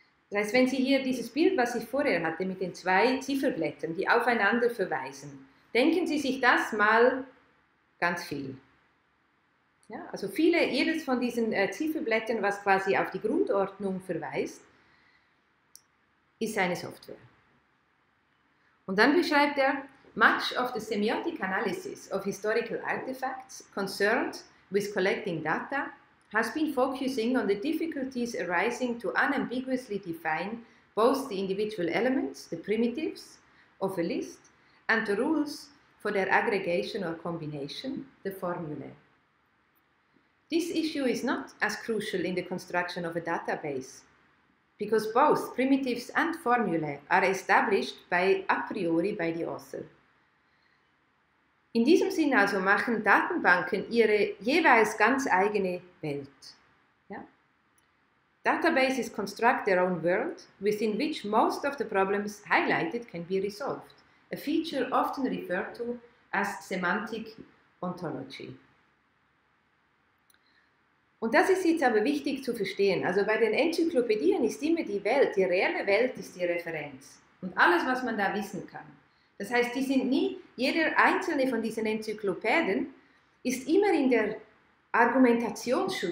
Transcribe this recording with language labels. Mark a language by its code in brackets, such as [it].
[de] Das heißt, wenn Sie hier dieses Bild, was ich vorher hatte, mit den zwei Zifferblättern, die aufeinander verweisen, denken Sie sich das mal ganz viel. Ja, also viele, jedes von diesen Zifferblättern, was quasi auf die Grundordnung verweist, ist eine Software. Und dann beschreibt er, [en] much of the semiotic analysis of historical artifacts concerned with collecting data has been focusing on the difficulties arising to unambiguously define both the individual elements, the primitives of a list, and the rules for their aggregation or combination, the formulae. This issue is not as crucial in the construction of a database, because both primitives and formulae are established by a priori by the author. [de] In diesem Sinn also machen Datenbanken ihre jeweils ganz eigene Welt. Ja? [en] Databases construct their own world, within which most of the problems highlighted can be resolved, a feature often referred to as semantic ontology. [de] Und das ist jetzt aber wichtig zu verstehen. Also bei den Enzyklopädien ist immer die Welt, die reelle Welt ist die Referenz. Und alles, was man da wissen kann. Das heißt, die sind nie, jeder einzelne von diesen Enzyklopäden ist immer in der Argumentationsschule.